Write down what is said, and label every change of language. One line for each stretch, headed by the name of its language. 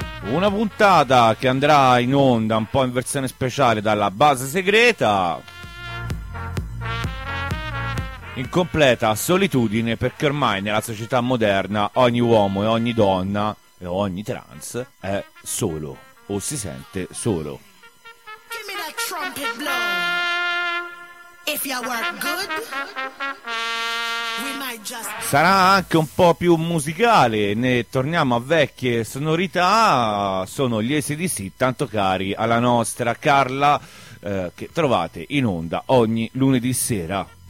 Italian: Una puntata che andrà in onda un po' in versione speciale dalla base segreta, in completa solitudine, perché ormai nella società moderna ogni uomo e ogni donna e ogni trans è solo o si sente solo.
English: Give me that trumpet blow. If you were good, we might just...
Italian: Sarà anche un po' più musicale, ne torniamo a vecchie sonorità, sono gli AC/DC, tanto cari alla nostra Carla, che trovate in onda ogni lunedì sera.